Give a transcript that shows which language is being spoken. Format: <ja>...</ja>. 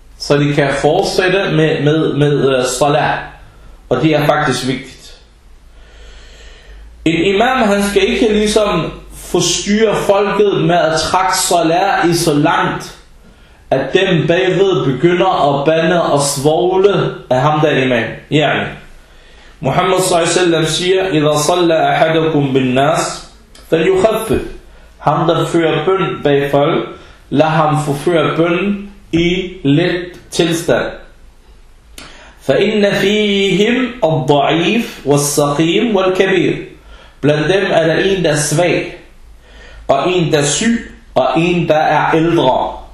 <da>så de kan fortsætte med salat. Og det er faktisk vigtigt. En imam, han skal ikke ligesom forstyrre folket med at trække salat i så langt, at dem bagved begynder at bande og svogle af ham der imam. Ja. Muhammad s.a.v. siger,</da> <ar>إِذَا صَلَّ أَحَدَكُمْ بِالنَّاسِ فَلْيُخَفِّ.</ar> <da>Ham der fører bøn bag folk, lad ham forføre bøn i lidt tilstand.</da> <ar>فَإِنَّ فِيهِمْ الضَّعِيفِ وَالسَّقِيمِ وَالْكَبِيرِ.</ar> <da>Blandt dem er der en, der er svag, og en, der er syg, og en, der er ældre.</da>